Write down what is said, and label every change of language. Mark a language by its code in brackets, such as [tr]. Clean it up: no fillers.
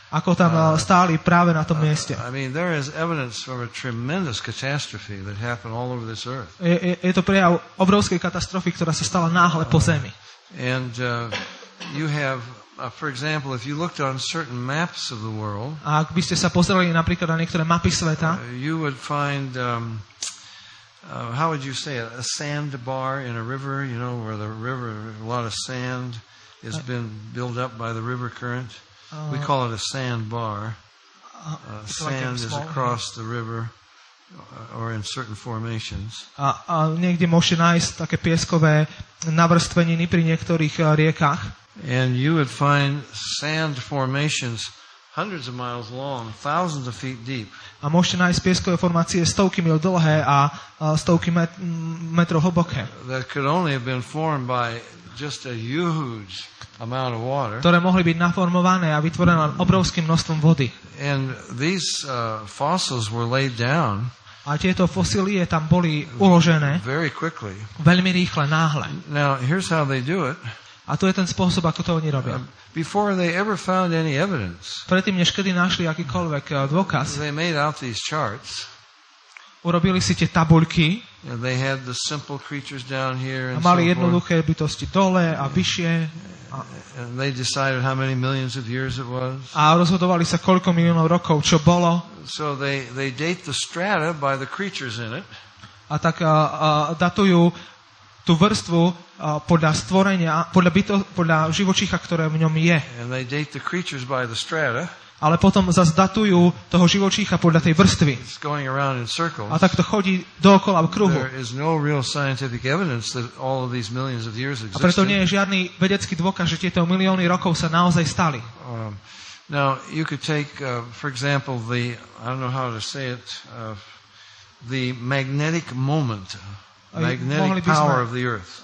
[sk] Ako tam stáli práve na tom mieste. [en] I mean, there is evidence for a tremendous catastrophe that happened all over this earth. [sk] Je to prejav obrovskej katastrofy, ktorá sa stala náhle po zemi. [en] And you have for example, if you looked on certain maps of the world, [sk] a ak by ste sa pozreli napríklad na niektoré mapy sveta, [en] you would find how would you say it? A sandbar in a river, you know, where the river, a lot of sand has been built up by the river current. We call it a sandbar. Sand is across the river or in certain formations. [sk] A niekde môžete nájsť také pieskové navrstveniny pri niektorých riekach. [en] And you would find sand formations hundreds of miles long, thousands of feet deep. [sk] A môžete nájsť pieskové formácie stovky mil dlhé a stovky metrov hlboké. [en] That could only have been formed by just a huge amount of water. [sk] Ktoré mohli byť naformované a vytvorené obrovským množstvom vody. [en] And these fossils were laid down. [sk] A tieto fosílie tam boli uložené. [en] Very quickly. [sk] Veľmi rýchle, náhle. [en] Now, here's how they do it. [sk] A to je ten spôsob, ako to oni robia. [en] Before they ever found any evidence. [sk] Predtým, než kedy našli akýkoľvek dôkaz. [en] They made out these charts. [sk] Urobili si tie tabuľky. [en] They had the simple creatures down here and so on. [sk] Mali jednoduché bytosti dole a vyššie. [en] And they decided how many millions of years it was. [sk] A rozhodovali sa, koľko miliónov rokov čo bolo. [en] So they date the strata by the creatures in it. [sk] A tak datujú tú vrstvu podľa stvorenia, podľa živočícha, ktoré v ňom je. [en] And they date the creatures by the strata. [sk] Ale potom zase datujú toho živočícha podľa tej vrstvy. A tak to chodí dookola v kruhu. A preto nie je žiadny vedecký dôkaz, že tieto milióny rokov sa naozaj stali. [en] Now you could take for example the I don't know how to say it the magnetic moment. Magnetic power of the earth.